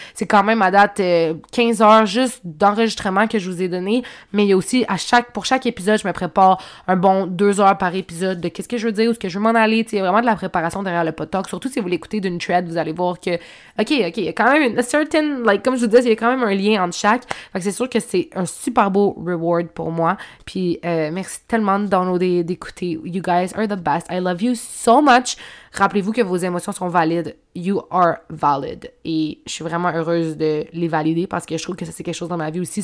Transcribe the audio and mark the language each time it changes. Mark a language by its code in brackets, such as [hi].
[fr] C'est quand même à date 15 heures juste d'enregistrement que je vous ai donné, mais il y a aussi pour chaque épisode, je me prépare un bon 2 heures par épisode de qu'est-ce que je veux dire, où est-ce que je veux m'en aller. Il y a vraiment de la préparation derrière le pod talk, surtout si vous l'écoutez d'une thread, vous allez voir que ok, il y a quand même une certain, like, comme je vous disais, il y a quand même un lien entre chaque. Fait que c'est sûr que c'est un super beau reward pour moi, puis merci tellement de downloader, d'écouter. [en] You guys are the best, I love you so much. [fr] Rappelez-vous que vos émotions sont valides. [en] You are valid. [fr] Et je suis vraiment heureuse de les valider parce que je trouve que ça, c'est quelque chose dans ma vie aussi.